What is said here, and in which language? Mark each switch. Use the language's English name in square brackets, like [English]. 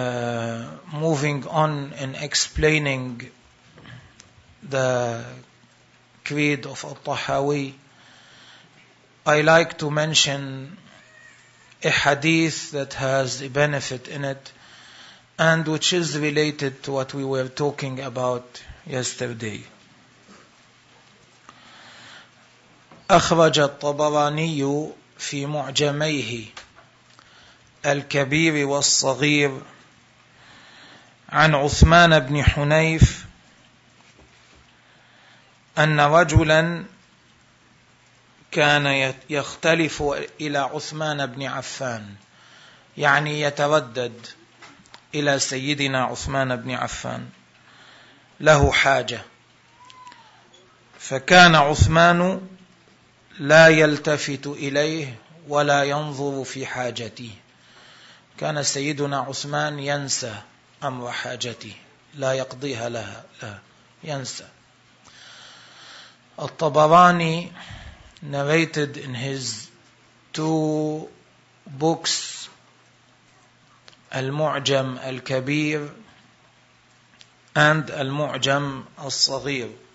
[English] Before moving on in explaining the creed of al-Tahawi, I like to mention a hadith that has a benefit in it and which is related to what we were talking about yesterday. [Arabic] أخرج الطبراني في معجميه الكبير والصغير عن عثمان بن حنيف أن رجلا كان يختلف إلى عثمان بن عفان، يعني يتردد إلى سيدنا عثمان بن عفان له حاجة، فكان عثمان لا يلتفت إليه ولا ينظر في حاجته. كان سيدنا عثمان ينسى أمر حاجته، لا يقضيها لها، لا ينسى. [English] الطبراني narrated in his two books المعجم الكبير and المعجم الصغير